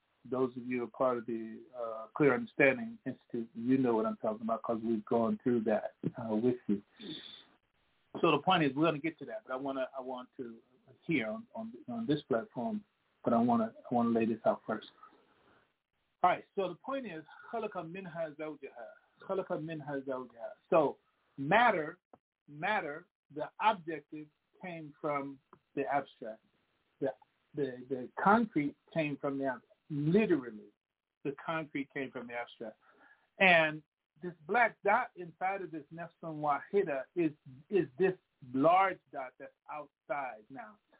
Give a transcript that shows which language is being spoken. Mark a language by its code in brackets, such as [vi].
[en] Those of you who are part of the Clear Understanding Institute, you know what I'm talking about because we've gone through that with you. So the point is, we're going to get to that, but I want to hear on this platform, but I want to lay this out first. All right. So the point is, [ar] خلق منها زوجها, خلق منها زوجها. [en] So matter, the objective came from the abstract. The concrete came from the abstract. Literally, the concrete came from the abstract, and this black dot inside of this Nafsun Wahida is this large dot that's outside now.